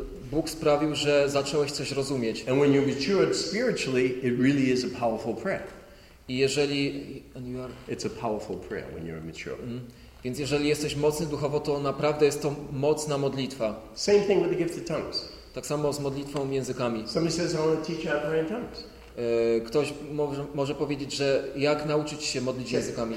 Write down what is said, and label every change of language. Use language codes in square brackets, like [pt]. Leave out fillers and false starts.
[pl] Bóg sprawił, że zacząłeś coś rozumieć. [en] And when you matured spiritually, it really is a powerful prayer. [pl] I jeżeli [en] it's a powerful prayer when you're mature. [pl] Więc jeżeli jesteś mocny duchowo, to naprawdę jest to mocna modlitwa. [en] Same thing with the gift of tongues. [pl] Tak samo z modlitwą językami. [en] Somebody says, I want to teach you how to pray in tongues. [pl] Ktoś może powiedzieć, że jak nauczyć się modlić językami?